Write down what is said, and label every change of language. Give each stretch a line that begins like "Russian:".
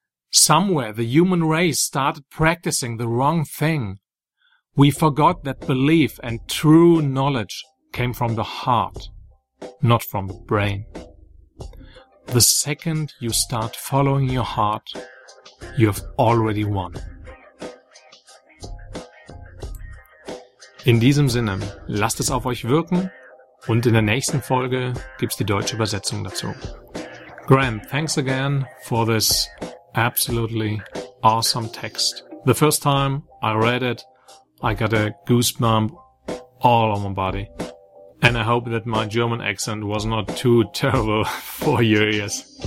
English: Somewhere the human race started practicing the wrong thing. We forgot that belief and true knowledge came from the heart, not from the brain. The second you start following your heart, you have already won.
German: In diesem Sinne, lasst es auf euch wirken und in der nächsten Folge gibt's die deutsche Übersetzung dazu.
English: Graham, thanks again for this absolutely awesome text. The first time I read it, I got a goosebump all over my body. And I hope that my German accent was not too terrible for your ears.